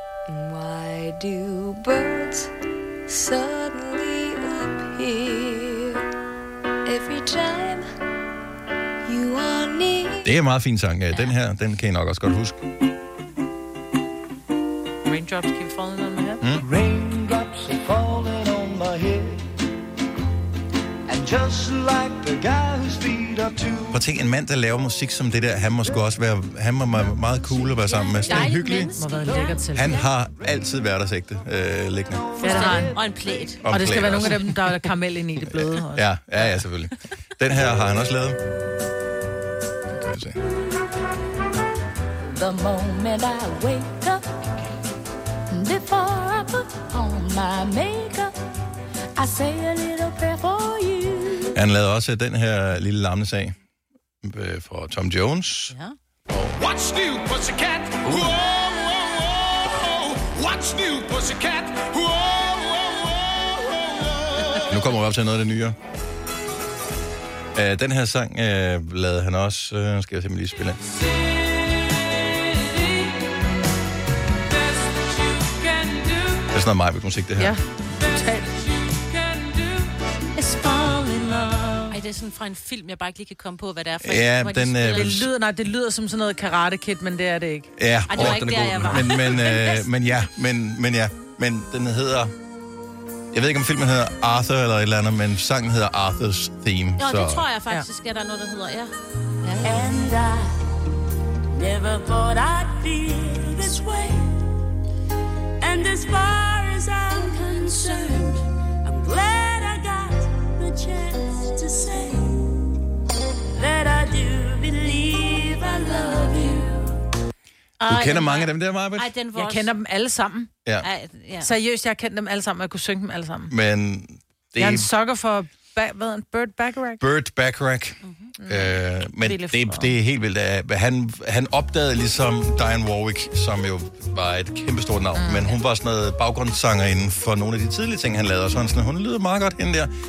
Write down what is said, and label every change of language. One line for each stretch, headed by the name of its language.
English: Why do birds suddenly appear every time you are near?
Danish: Det er en meget fin sang. Den her, den kan I nok også godt huske.
English: Raindrops keep falling on my head. Raindrops are falling on my head. And Just like the guy who's beat up too.
Danish: Prøv at tænk, en mand, der laver musik som det der, han må sgu også være, han må meget cool at være sammen med. Sådan hyggelig. Han har altid hverdagsægte liggende. Ja, det har han. Og en plæt. Og det skal være nogle af dem, der er karamel ind i det bløde. Ja, ja, ja, selvfølgelig. Den her har han også lavet.
English: The moment I wake up, before I put on my makeup, I say a little prayer for you.
Danish: Han lavede også den her lille larmende sag for Tom Jones.
English: Ja. What's new, pussycat? Whoa, whoa, whoa. What's new, pussycat? Whoa, whoa, whoa, whoa.
Danish: Nu kommer vi op til noget af det nye. Den her sang lavede han også. Skal jeg simpelthen lige spille den. Det er sådan noget Maj-Vid musik, det her. Ja, totalt. Ej, det er sådan fra en film, jeg bare ikke lige kan komme på, hvad det er. Ja, den, det, lyder, nej, det lyder som sådan noget Karate Kid, men det er det ikke. Ja, ej, det var ikke den er der, god. Men den hedder... Jeg ved ikke, om filmen hedder Arthur eller et eller andet, men sangen hedder Arthur's Theme. Jo, så det tror jeg faktisk, at der er noget, der hedder, ja.
English: And I never thought I'd feel this way. And as far as I'm concerned, I'm glad I got the chance to say that I do believe I love you.
Danish: Du kender mange af dem der, Marbet? Jeg kender dem alle sammen. Ja. Seriøst, jeg har kendt dem alle sammen, og jeg kunne synge dem alle sammen. Men det... Jeg er en sucker for, hvad er en Burt Bacharach? Burt Bacharach. Mm-hmm. Men det er helt vildt. Han opdagede ligesom Dionne Warwick, som jo var et kæmpestort navn, men hun var sådan noget baggrundssanger inden for nogle af de tidlige ting, han lavede. Og så han sådan, hun lyder meget godt, hende der.